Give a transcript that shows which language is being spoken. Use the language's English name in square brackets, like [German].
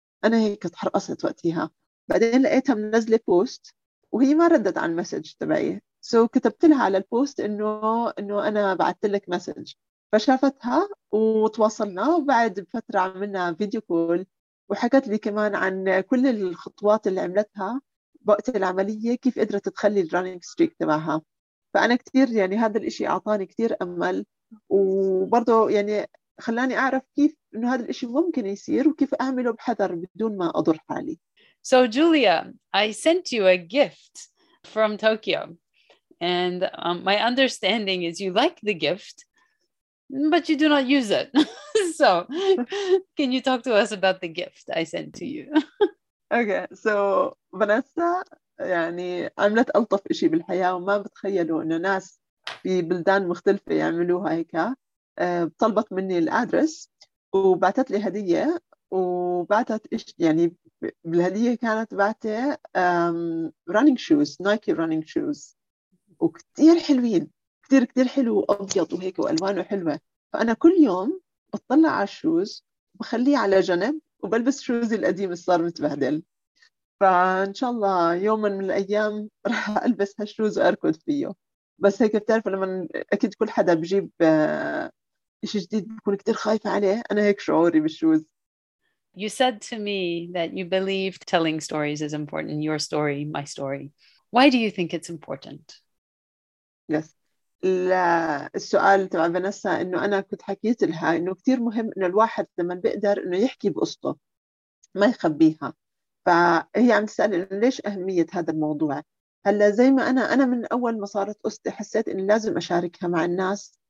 [Arabic] أنا هيك اتحرقصت وقتها، بعدين لقيتها منزلة بوست وهي ما ردت على المسج تبعي، سو كتبت لها على البوست انه انا بعثت لك مسج، فشافتها وتواصلنا، وبعد بفتره عملنا فيديو كول وحكت لي كمان عن كل الخطوات اللي عملتها بوقت العمليه كيف قدرت تخلي الرننج ستريك تبعها. فانا كثير يعني هذا الاشي اعطاني كثير امل، وبرضه يعني خلاني اعرف كيف انه هذا الاشي ممكن يصير وكيف اعمله بحذر بدون ما اضر حالي. [English] So Julia, I sent you a gift from Tokyo, and my understanding is you like the gift, but you do not use it. So can you talk to us about the gift I sent to you? Okay, so [Arabic] Vanessa, يعني عملت ألطف إشي بالحياة وما بتخيلوا إنه ناس في بلدان مختلفة يعملوها هيك. طلبت مني الأدرس وبعتت لي هدية وبعتت إيش يعني. بالهدية كانت بعتة [English] running shoes، [Arabic] نايكي running shoes، وكتير حلوين، كتير كتير حلو وأبيض وهيك وألوانه حلوة. فأنا كل يوم بطلع على الشوز بخليه على جنب وبلبس شوزي القديم اللي صار متبهدل. فإن شاء الله يوما من الأيام رح ألبس هالشوز وأركض فيه. بس هيك بتعرف لما أكيد كل حدا بجيب إشي جديد بكون كتير خايفة عليه. أنا هيك شعوري بالشوز. [English] You said to me that you believe telling stories is important. Your story, my story. Why do you think it's important? Yes. [Arabic] السؤال تبع فانيسا إنه أنا كنت حكيت لها إنه كتير مهم إنه الواحد لما بيقدر إنه يحكي بقصته ما يخبيها. فهي عم تسأل إنه ليش أهمية هذا الموضوع. هلا زي ما أنا من أول ما صارت قصتي حسيت إنه لازم أشاركها مع الناس.